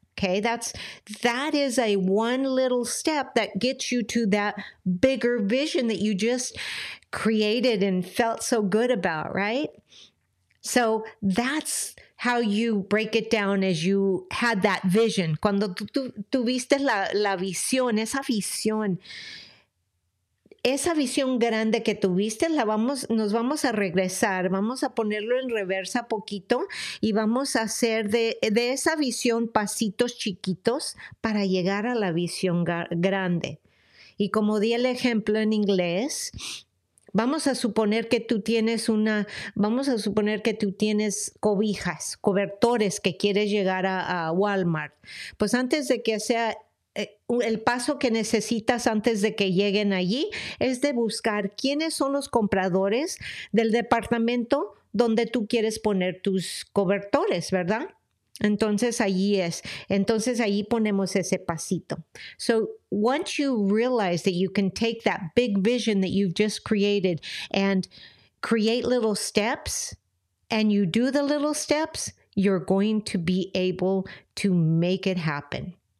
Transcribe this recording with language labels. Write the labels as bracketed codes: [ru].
[en] Okay, that is a one little step that gets you to that bigger vision that you just created and felt so good about, right? So that's how you break it down as you had that vision. [es] Cuando tuviste la visión, esa visión grande que tuviste, nos vamos a regresar, vamos a ponerlo en reversa poquito y vamos a hacer de esa visión pasitos chiquitos para llegar a la visión grande. Y como di el ejemplo en inglés, vamos a suponer que tú tienes cobijas, cobertores que quieres llegar a Walmart. Pues antes de que sea el paso que necesitas antes de que lleguen allí es de buscar quiénes son los compradores del departamento donde tú quieres poner tus cobertores, ¿verdad? Entonces allí ponemos ese pasito. [en] So once you realize that you can take that big vision that you've just created and create little steps, and you do the little steps, you're going to be able to make it happen.